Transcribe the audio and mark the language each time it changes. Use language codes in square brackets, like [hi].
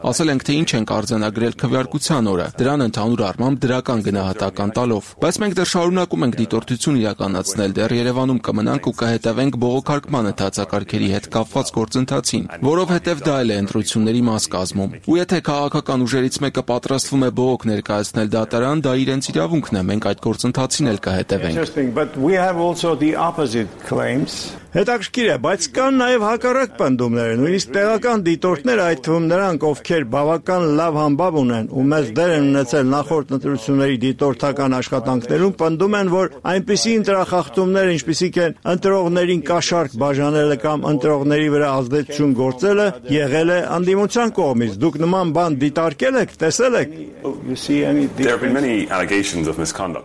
[hy] Ասել ենք, թե ինչ ենք արձանագրել քվեարկության օրը, դրան ընդհանուր առմամբ դրական գնահատական տալով։ Բայց մենք դեռ շարունակում ենք դիտորդություն իրականացնել, դեռ Երևանում կմնանք ու կհետևենք բողոքարկման ընթացակարգերի հետ կապված գործընթացին, որովհետև դա էլ է ընտրությունների մաս կազմում։ Ու եթե քաղաքական ուժերից մեկը պատրաստվում է բողոք ներկայացնել դատարան, դա իրենց իրավունքն է, մենք այդ գործընթացին նել կհետևենք։ [en] Interesting, but we have also the opposite claims. [hy] Հետաքրքիր է, բայց կան նաև հակառակ պնդումներ, նույնիսկ տեղական դիտորդներ, այդ թվում նրանք, ովքեր բավական լավ համբավ ունեն ու մեծ դեր են ունեցել նախորդ ընտրությունների դիտորդական աշխատանքներում, պնդում են, որ այնպիսի ընտրախախտումներ, ինչպիսիք են ընտրողներին կաշառք բաժանելը կամ ընտրողների վրա ազդեցություն գործելը, եղել է անդիմության կողմից։ Դուք նման բան դիտարկել եք, տեսել եք։